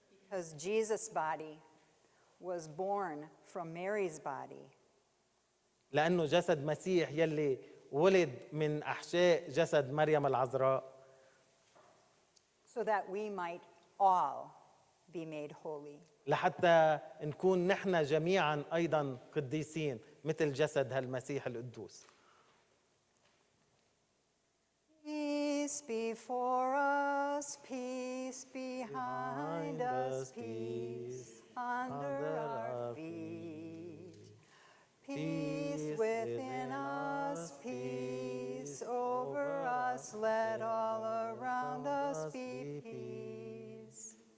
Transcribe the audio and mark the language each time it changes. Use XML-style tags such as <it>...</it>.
<en>Because Jesus' body was born from Mary's body.</en> <ar>لانه جسد مسيح يلي ولد من احشاء جسد مريم العذراء.</ar> <en>So that we might all be made holy.</en> <ar>لحتى نكون نحن جميعا ايضا قديسين مثل جسد هالمسيح القدوس.</ar> <en>Peace before us, peace behind us, peace under our feet. Peace within us, peace over us, let all around us be peace.</en>